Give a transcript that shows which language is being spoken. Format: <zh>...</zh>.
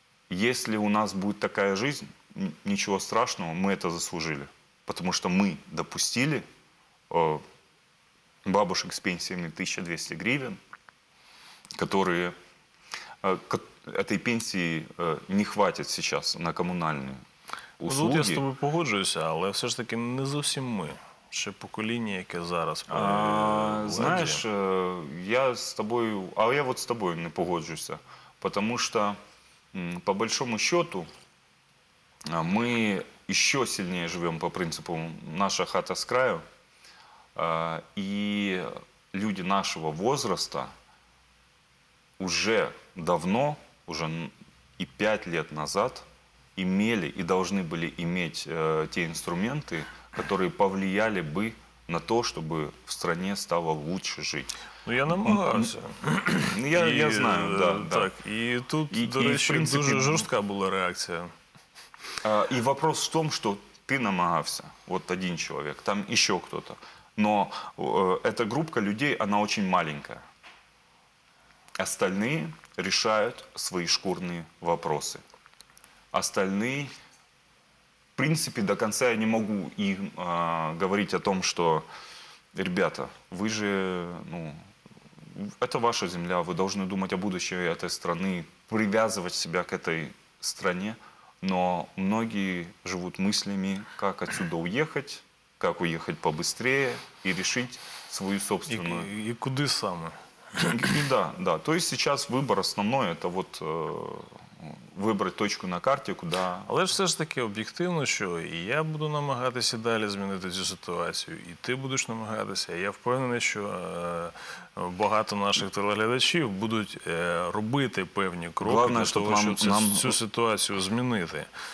<ru>Если у нас будет такая жизнь, ничего страшного, мы это заслужили. Потому что мы допустили бабушек с пенсиями 1200 гривен, которые этой пенсии не хватит сейчас на коммунальные услуги.</ru> <uk>Тут я с тобой погоджуюся, але все ж таки не зовсім ми. Ще покоління, яке зараз.</uk> <ru>Знаешь, я с тобой, а я вот с тобой не погоджуюся. Потому что, по большому счету, мы еще сильнее живем по принципу «наша хата с краю». И люди нашего возраста уже давно, уже и 5 лет назад, имели и должны были иметь те инструменты, которые повлияли бы на то, чтобы в стране стало лучше жить.</ru> <uk>Ну, я намагався.</uk> <ru>Я знаю, да.</ru> <uk>Так,</uk> <ru>да. И тут, в принципе,</ru> <uk>дуже жорстка була реакція.</uk> <ru>И вопрос в том, что ты намагався, вот один человек, там еще кто-то. Но эта группа людей, она очень маленькая. Остальные решают свои шкурные вопросы. Остальные, в принципе, до конца я не могу им говорить о том, что, ребята, вы же, ну, это ваша земля, вы должны думать о будущем этой страны, привязывать себя к этой стране. Но многие живут мыслями, как отсюда уехать, как уехать побыстрее и решить свою собственную... И куда самое? Да, да. То есть сейчас выбор основной – это вот выбрать точку на карте, куда…</ru> <uk>Але ж все ж таки об'єктивно, що і я буду намагатися далі змінити цю ситуацію, і ти будеш намагатися. Я впевнений, що багато наших телеглядачів будуть робити певні кроки для того, щоб цю ситуацію змінити.</uk>